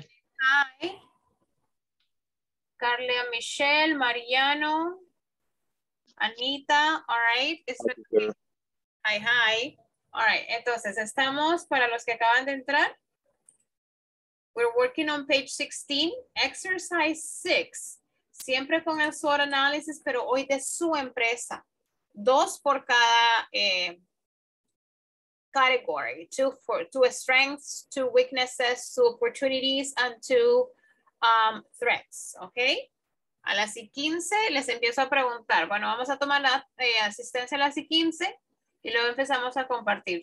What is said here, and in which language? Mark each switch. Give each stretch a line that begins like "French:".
English: No, hi. Carla, Michelle, Mariano, Anita, all right. Hi, hi. All right,
Spanish: entonces estamos, para los que acaban de entrar,
English: we're working on page 16, exercise 6.
Spanish: Siempre con el SWOT analysis, pero hoy de su empresa. Dos por cada category.
English: Two strengths, two weaknesses, two opportunities, and two threats, okay?
Spanish: A las y 15 les empiezo a preguntar. Bueno, vamos a tomar la asistencia a las y 15 y luego empezamos a compartir.